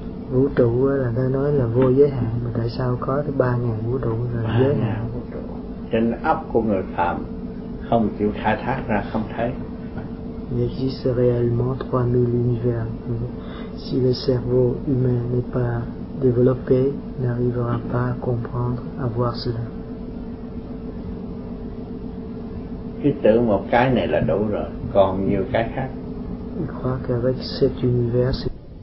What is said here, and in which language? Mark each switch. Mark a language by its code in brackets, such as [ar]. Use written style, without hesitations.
[vi] Vũ trụ là ta nói là vô giới hạn, mà tại sao có tới 3000 vũ trụ là giới hạn? Trên ấp của người phàm không chịu khai thác ra không thấy. [fr] Il existe réellement 3000 univers. Si le cerveau humain n'est pas développé, n'arrivera pas à comprendre, à voir cela. [vi] Cứ tưởng một cái này là đủ rồi, còn nhiều cái khác. [fr] Il croit qu'avec cet univers, c'est